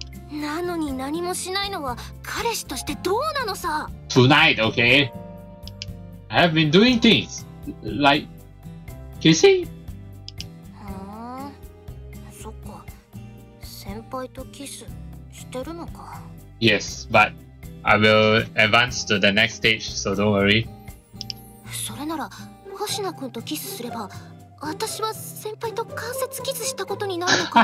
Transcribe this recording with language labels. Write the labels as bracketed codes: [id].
[ja] なのに何もしないのは彼氏としてどうなのさ? [en] Tonight, okay? I have been doing things. Like... Kissing? [ja] そっか。先輩とキスしてるのか? [en] Yes, but I will advance to the next stage, so don't worry. [ja] それなら、星名くんとキスすれば、私は先輩と間接キスしたことになるのか